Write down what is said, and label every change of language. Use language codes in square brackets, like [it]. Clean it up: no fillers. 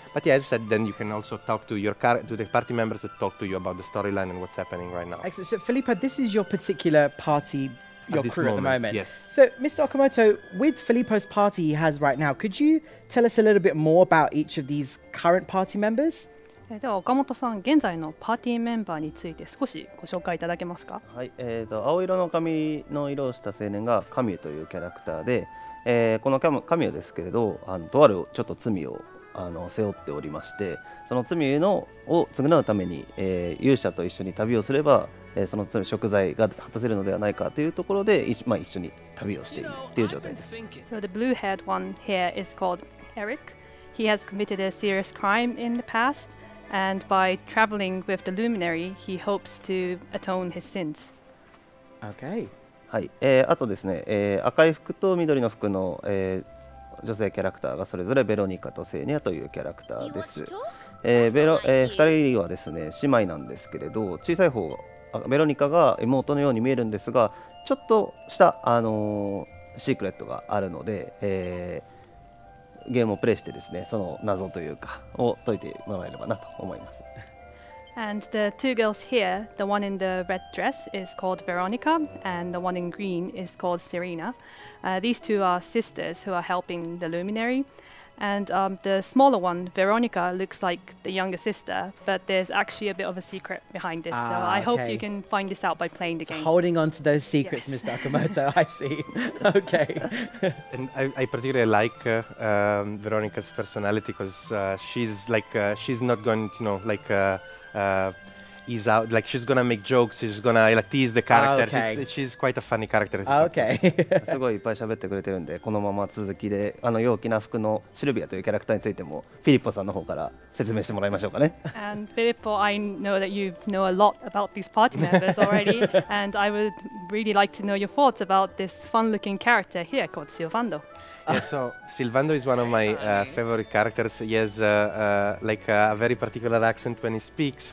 [en] But yeah, as I said, then you can also talk to your to the party members that talk to you about the storyline and what's happening right now. Excellent. So, Filippa, this is your particular party, your at crew moment, at the moment. Yes. So, Mr. Okamoto, with Filippo's party he has right now, could you tell us a little bit more about each of these current party members? [ja] では岡本さん、現在のパーティーメンバーについて少しご紹介いただけますか。はい、青色の髪の色をした青年がカミューというキャラクターで、このカミューですけれど、とあるちょっと罪を背負っておりまして、その罪のを償うために、勇者と一緒に旅をすれば、その食材が果たせるのではないかというところで、まあ、一緒に旅をしているという状態です。 [en] So the blue haired one here is called Eric. He has committed a serious crime in the past, and by traveling with the luminary, he hopes to atone his sins. Okay. [ja] はい、あとですね、赤い服と緑の服の、女性キャラクターがそれぞれベロニカとセーニャというキャラクターです。 2人はですね、姉妹なんですけれど、小さい方ベロニカが妹のように見えるんですが、ちょっとしたシークレットがあるので、ゲームをプレイしてですね、その謎というかを解いてもらえればなと思います。 [en] And the two girls here, the one in the red dress is called Veronica, and the one in green is called Serena. These two are sisters who are helping the luminary. And the smaller one, Veronica, looks like the younger sister, but there's actually a bit of a secret behind this. So I hope you can find this out by playing the game. Holding on to those secrets, yes. Mr. Akamoto, I see. Okay. And I particularly like Veronica's personality, because she's not going to, you know, like... he's out, like she's gonna make jokes, she's gonna like, tease the character. Okay. She's quite a funny character. Okay. [ja] すごいいっぱい喋ってくれてるんで、このまま続きで、あの陽気な服のシルビアというキャラクターについてもフィリッポさんの方から説明してもらいましょうかね。 [en] And Filippo, I know that you know a lot about these party members already, and I would really like to know your thoughts about this fun-looking character here called Silvando. Yeah, so Silvando is one of my favorite characters. He has a very particular accent when he speaks.